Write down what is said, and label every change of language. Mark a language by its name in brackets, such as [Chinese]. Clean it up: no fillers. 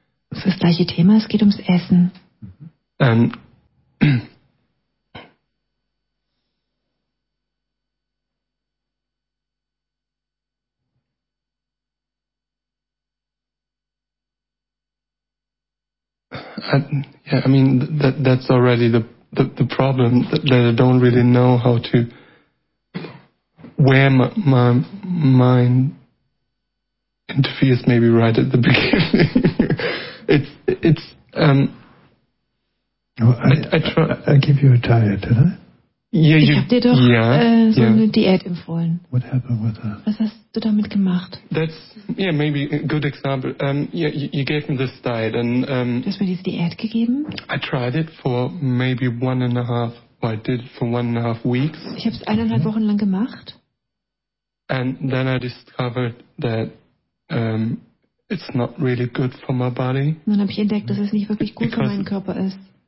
[German] Es ist das gleiche Thema, es geht ums Essen. [English] That's already the problem, that I don't really know how to, where my mind interferes maybe right at the beginning. I give you a diet, didn't I? [German] Ich habe dir doch so eine Diät empfohlen. [English] What happened with that? [German] Was hast du damit gemacht? [English] That's yeah, maybe a good example. You gave me this diet and [German] Hast du mir diese Diät gegeben? [English] I tried it for maybe one and a half. Well, I did it for 1.5 weeks. [German] Ich habe es 1.5 Wochen lang gemacht. [English] And then I discovered that it's not really good for my body. [German] Und dann habe ich entdeckt, dass es nicht wirklich gut für meinen Körper ist.